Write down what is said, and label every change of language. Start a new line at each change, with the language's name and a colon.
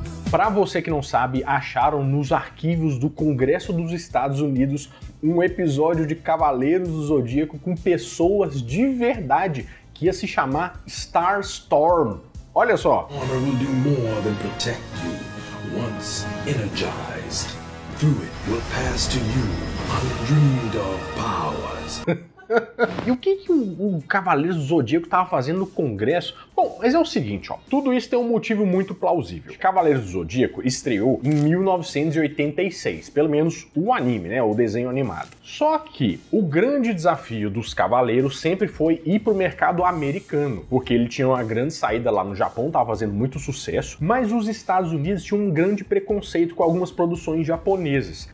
Portuguese: Pra você que não sabe, acharam nos arquivos do Congresso dos Estados Unidos um episódio de Cavaleiros do Zodíaco com pessoas de verdade, que ia se chamar Star Storm. Olha só.
English: Honor will do more than protect you. Once energized, through it will pass to you undreamed of powers.
Portuguese: E o que, que o Cavaleiro do Zodíaco estava fazendo no Congresso? Bom, mas é o seguinte, ó. Tudo isso tem um motivo muito plausível. Cavaleiro do Zodíaco estreou em 1986, pelo menos o anime, né? O desenho animado. Só que o grande desafio dos Cavaleiros sempre foi ir pro mercado americano, porque ele tinha uma grande saída lá no Japão, estava fazendo muito sucesso, mas os Estados Unidos tinham um grande preconceito com algumas produções japonesas.